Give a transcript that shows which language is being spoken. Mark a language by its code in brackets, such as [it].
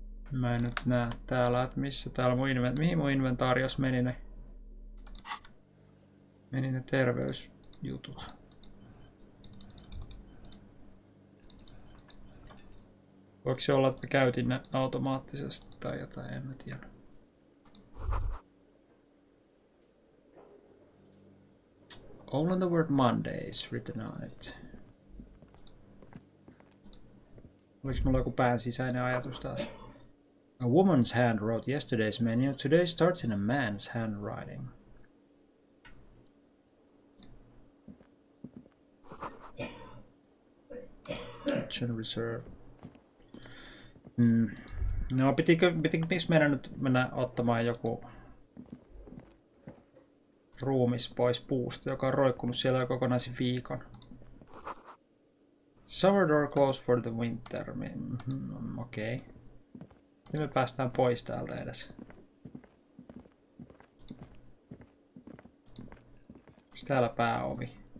[fi] Mä en nyt näe täällä, että missä täällä mun inventaarios meni ne terveysjutut. Voiko se olla, että mä käytin ne automaattisesti tai jotain, en mä tiedä. [en] All in the word Monday is written on it. [fi] Oliko mulla joku pään sisäinen ajatus taas? [en] A woman's hand wrote yesterday's menu. Today starts in a man's handwriting. Kitchen reserve. [fi] No, pitikö meidän nyt mennä ottamaan joku ruumis pois puusta, joka on roikkunut siellä jo kokonaisen viikon? [en] Summer door closed for the winter. [fi] Okei. [en] Okay. [fi] Me päästään pois täältä edes. Onks täällä pääovi?